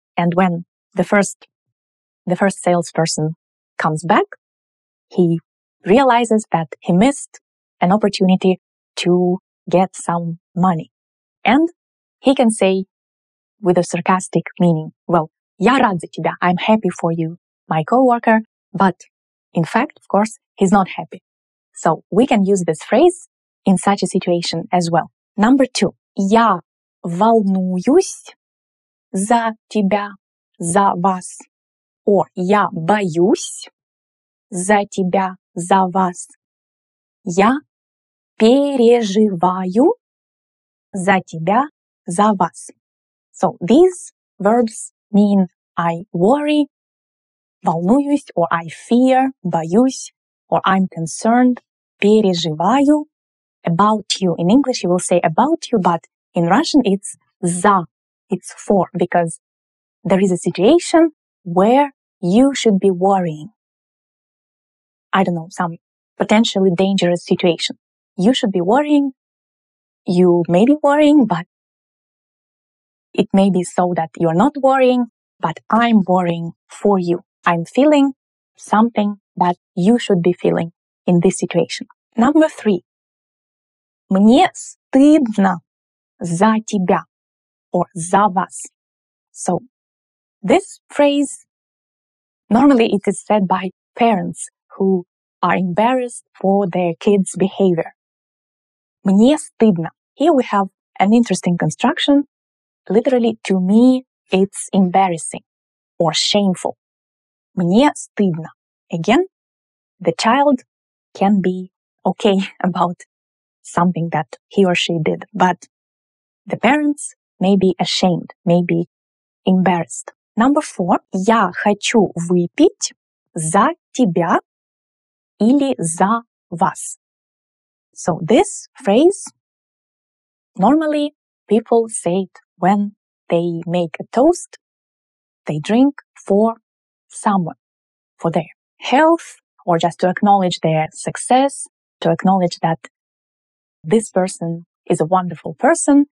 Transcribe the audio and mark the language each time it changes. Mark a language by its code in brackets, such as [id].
[en] And when the first salesperson comes back, he realizes that he missed an opportunity to get some money. And he can say with a sarcastic meaning, well, [ru] я рад за тебя, [en] I'm happy for you, my coworker. But in fact, of course, he's not happy. So we can use this phrase in such a situation as well. Number two. [ru] Я волнуюсь за тебя, за вас. Or я боюсь за тебя, за вас. Я переживаю за тебя, за вас. [en] So these verbs mean I worry, волнуюсь, or I fear, боюсь, or I'm concerned. Переживаю about you. In English, you will say about you, but in Russian, it's за. It's for, because there is a situation where you should be worrying. I don't know, some potentially dangerous situation. You should be worrying. You may be worrying, but it may be so that you're not worrying, but I'm worrying for you. I'm feeling something that you should be feeling in this situation. Number three. [ru] Мне стыдно за тебя or за вас. [en] So this phrase, normally it is said by parents who are embarrassed for their kids' behavior. [ru] Мне стыдно. [en] Here we have an interesting construction. Literally, to me, it's embarrassing or shameful. [ru] Мне стыдно. [en] Again, the child can be okay about something that he or she did, but the parents may be ashamed, may be embarrassed. Number four. [ru] Я хочу выпить за тебя или за вас. [en] So this phrase, normally people say it when they make a toast, they drink for someone, for their health, or just to acknowledge their success, to acknowledge that this person is a wonderful person.